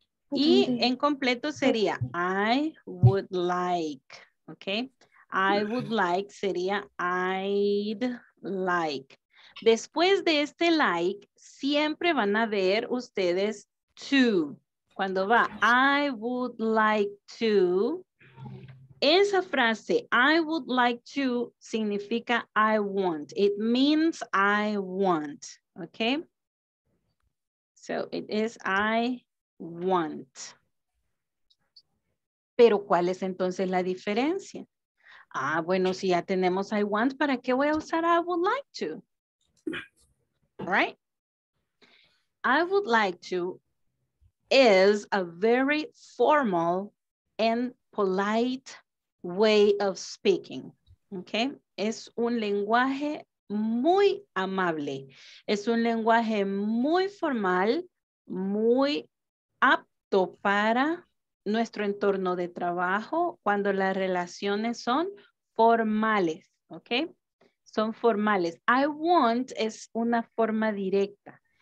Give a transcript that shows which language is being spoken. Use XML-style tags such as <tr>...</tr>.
<es>Y en completo sería</es> <en>I would like.</en> <es>Okay.</es> <en>I would like sería I'd like.</en> <es>Después de este like, siempre van a ver ustedes to. Cuando va</es> <en>I would like to,</en> <es>esa frase I would like to significa</es> <en>I want. It means I want. Okay? So it is I want.</en> <es>Pero ¿cuál es entonces la diferencia? Ah, bueno, si ya tenemos</es> <en>I want,</en> <es>¿para qué voy a usar</es> <en>I would like to? Right? I would like to is a very formal and polite way of speaking.</en> <es>Okay? Es un lenguaje muy amable. Es un lenguaje muy formal, muy apto para nuestro entorno de trabajo cuando las relaciones son formales, ¿ok? Son formales.</es> <en>I want</en> <es>es una forma directa.</es>